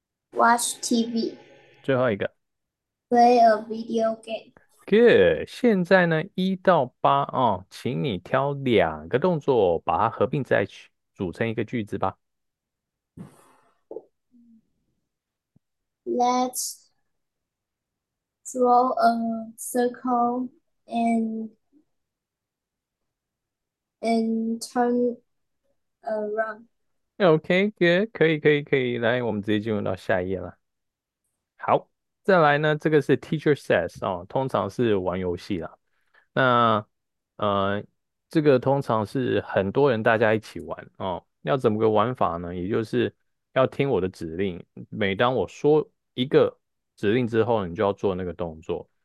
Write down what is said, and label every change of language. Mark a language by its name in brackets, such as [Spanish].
[English] Watch TV. [Chinese] 最后一个。 [English] Play a video game. [Chinese] Good，现在呢，一到八哦，请你挑两个动作，把它合并在一起，组成一个句子吧。 [English] Let's draw a circle and turn around. [Chinese] OK，good，可以，来，我们直接进入到下一页了。好。再来呢，这个是 [English] teacher says [Chinese] 哦，通常是玩游戏啦。那这个通常是很多人大家一起玩哦。要怎么个玩法呢？也就是要听我的指令，每当我说一个指令之后，你就要做那个动作。